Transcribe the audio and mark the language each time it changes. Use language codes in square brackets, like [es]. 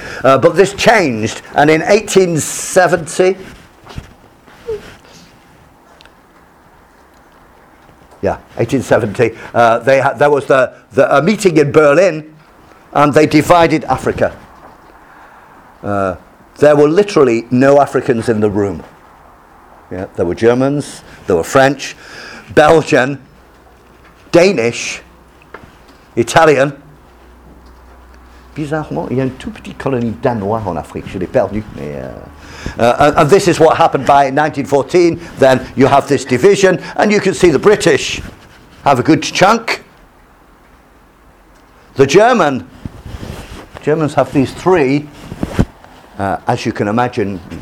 [en] But this changed, and in 1870, there was a meeting in Berlin, and they divided Africa. There were literally no Africans in the room. Yeah, there were Germans, there were French, Belgian, Danish, Italian. [fr] Bizarrement, il y a une toute petite colonie danois en Afrique. Je l'ai perdu. [en] And this is what happened by 1914. Then you have this division, and you can see the British have a good chunk. The Germans have these three. As you can imagine,